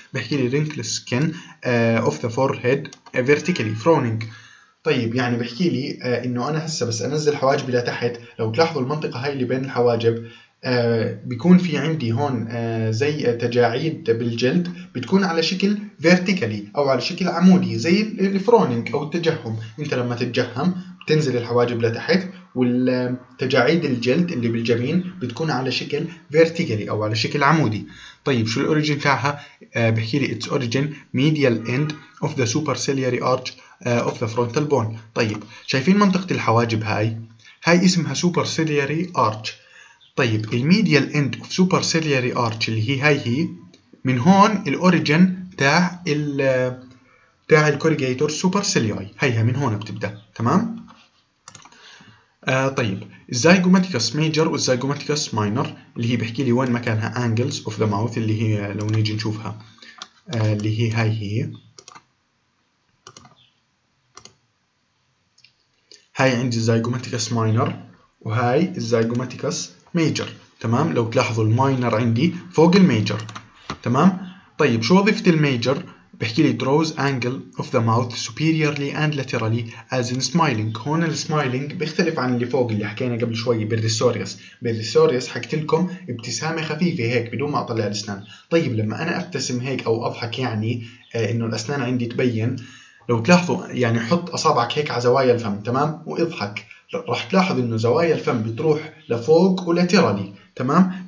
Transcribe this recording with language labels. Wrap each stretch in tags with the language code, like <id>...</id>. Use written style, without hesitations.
<ar>بحكي لي</ar> <en>wrinkled skin of the forehead vertically frowning،</en> <ar>طيب يعني بحكي لي انه انا هسه بس انزل حواجب لتحت، لو تلاحظوا المنطقة هاي اللي بين الحواجب بيكون في عندي هون زي تجاعيد بالجلد، بتكون على شكل فيرتيكالي او على شكل عمودي زي الفرونينج او التجهم. انت لما تتجهم بتنزل الحواجب لتحت، والتجاعيد الجلد اللي بالجبين بتكون على شكل فيرتيكالي او على شكل عمودي. طيب شو الاوريجين تاعها؟ بحكي لي</ar> <en>its origin medial end of the superciliary arch of the frontal bone.</en> <ar>طيب شايفين منطقة الحواجب هاي؟ هاي اسمها superciliary arch. طيب الميديال اند اوف سوبر سيلياري ارتش اللي هي هاي هي، من هون الاوريجن تاع الكوريجيتور سوبر سيلياي، هيها من هون بتبدا، تمام. طيب الزايجوماتيكوس ميجر والزايجوماتيكوس ماينر اللي هي بحكي لي وين مكانها، انجلز اوف ذا ماوث اللي هي لو نيجي نشوفها اللي هي هاي هي، هاي عندي الزايجوماتيكوس ماينر وهاي الزايجوماتيكوس ميجر، تمام. لو تلاحظوا الماينر عندي فوق الميجر، تمام. طيب شو وظيفة الميجر؟ بحكي لي</ar> <en>draws angle of the mouth superiorly and laterally as in smiling.</en> <ar>هون السمايلينج بيختلف عن اللي فوق اللي حكينا قبل شوي بالريسوريس. بالريسوريس حكيت لكم ابتسامة خفيفة هيك بدون ما اطلع الاسنان. طيب لما انا ابتسم هيك او اضحك يعني انه الاسنان عندي تبين، لو تلاحظوا يعني حط اصابعك هيك على زوايا الفم، تمام، واضحك، راح تلاحظ انه زوايا الفم بتروح لفوق ولاترالي، تمام.</ar>